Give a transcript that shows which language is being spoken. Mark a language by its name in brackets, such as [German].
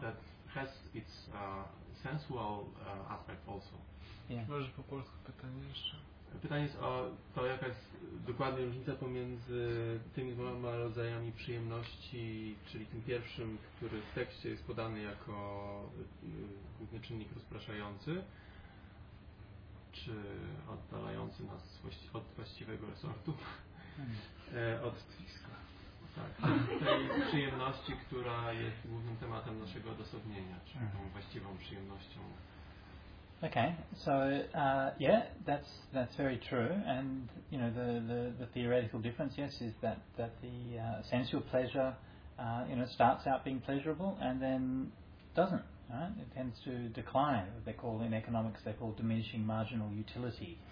[English] that has its sensual aspect also. [Polish] Może po polsku pytanie jeszcze. Pytanie jest o to, jaka jest dokładnie różnica pomiędzy tymi dwoma rodzajami przyjemności, czyli tym pierwszym, który w tekście jest podany jako główny czynnik rozpraszający, czy oddalający nas od właściwego resortu, od twiska. Tak, tej przyjemności, która jest głównym tematem naszego odosobnienia, czyli tą właściwą przyjemnością. [English] Okay, so yeah, that's very true, and you know the theoretical difference, yes, is that the sensual pleasure, you know, starts out being pleasurable and then doesn't, right? It tends to decline. What they call in economics, they call diminishing marginal utility.